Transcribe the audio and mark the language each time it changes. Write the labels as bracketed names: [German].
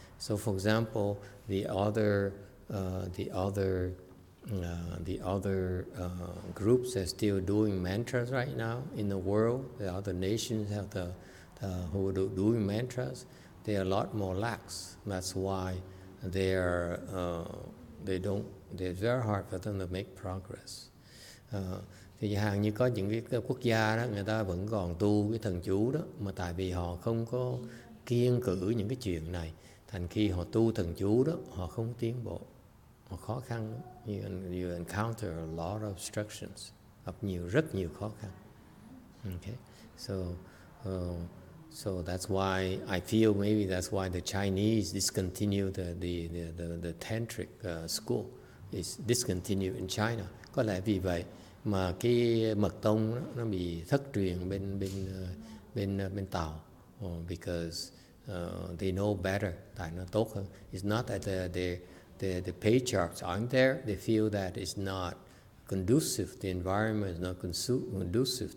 [English] So for example, the other groups are still doing mantras right now in the world. The other nations have who are doing mantras. They are a lot more lax. That's why it's very hard for them to make progress. [Vietnamese] Thì hàng như có những cái quốc gia đó, người ta vẫn còn tu cái thần chú đó, mà tại vì họ không có kiêng cử những cái chuyện này, thành khi họ tu thần chú đó, họ không tiến bộ, họ khó khăn. [English] You encounter a lot of obstructions, [Vietnamese] rất nhiều khó khăn. [English] Okay, so that's why I feel maybe that's why the Chinese discontinued the tantric school is discontinued in China. [Vietnamese] Có lẽ vì vậy mà cái mật tông nó bị thất truyền bên Tàu. [English] Oh, because they know better, [Vietnamese] tại nó tốt hơn. [English] It's not that the patriarchs aren't there. They feel that it's not conducive. The environment is not conducive.